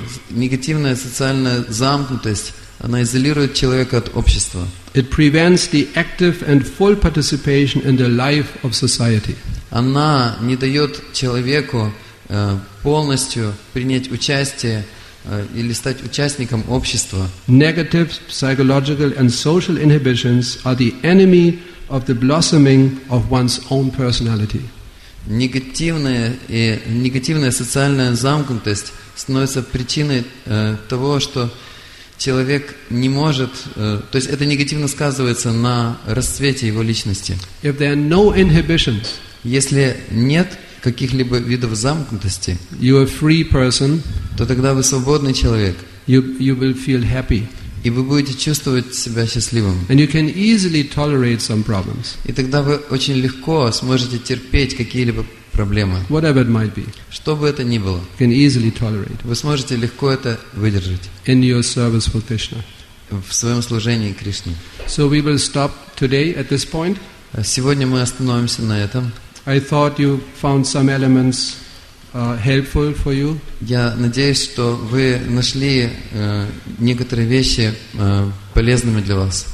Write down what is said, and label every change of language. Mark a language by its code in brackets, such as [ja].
[ru] Негативная социальная замкнутость, она изолирует человека от общества. [en] It prevents the active and full participation in the life of society. [ru] Она не дает человеку полностью принять участие или стать участником общества. [en] Negative psychological and social inhibitions are the enemy of the blossoming of one's own personality. [ru] Негативная социальная замкнутость становится причиной того, что человек не может, то есть это негативно сказывается на расцвете его личности. [en] If there are no inhibitions, [ru] если нет каких-либо видов замкнутости, [en] you are free person, [ru] то тогда вы свободный человек. [en] You will feel happy. [ru] И вы будете чувствовать себя счастливым. [en] And you can easily tolerate some problems. [ru] И тогда вы очень легко сможете терпеть какие-либо проблемы. [en] Whatever it might be. [ru] Что бы это ни было. [en] You can easily tolerate. [ru] Вы сможете легко это выдержать. [en] In your service for Krishna. [ru] В своем служении Кришне. [en] So we will stop today at this point. [ru] Сегодня мы остановимся на этом. [en] I thought you found some elements helpful for you. [ru] Я надеюсь, что вы нашли некоторые вещи полезными для вас.